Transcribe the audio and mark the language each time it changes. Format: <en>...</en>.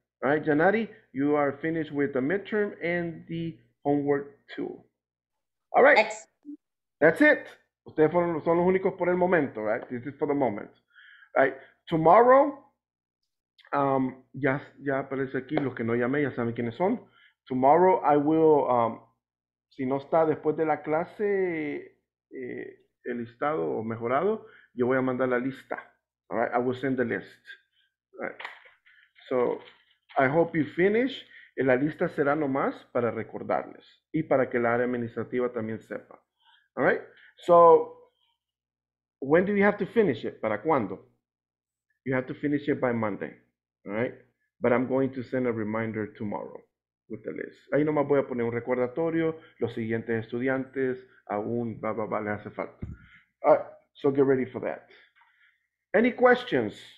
<en>All right, Janari, you are finished with the midterm and the homework too. All right. That's it.</en> <es>Ustedes son los únicos por el momento,</es> <en>right? This is for the moment. All right.</en> <es>Tomorrow, ya aparece aquí, los que no llamé ya saben quiénes son.</es> <en>Tomorrow I will,</en> <es>si no está después de la clase, el listado o mejorado, yo voy a mandar la lista.</es> <en>All right, I will send the list. All right. So, I hope you finish.</en> <es>La lista será nomás para recordarles y para que la área administrativa también sepa.</es> <en>All right? So, when do you have to finish it?</en> <es>¿Para cuándo?</es> <en>You have to finish it by Monday. All right? But I'm going to send a reminder tomorrow with the list.</en> <es>Ahí nomás voy a poner un recordatorio, los siguientes estudiantes, aún, blah, blah, blah, les hace falta.</es> <en>All right, so get ready for that. Any questions?</en>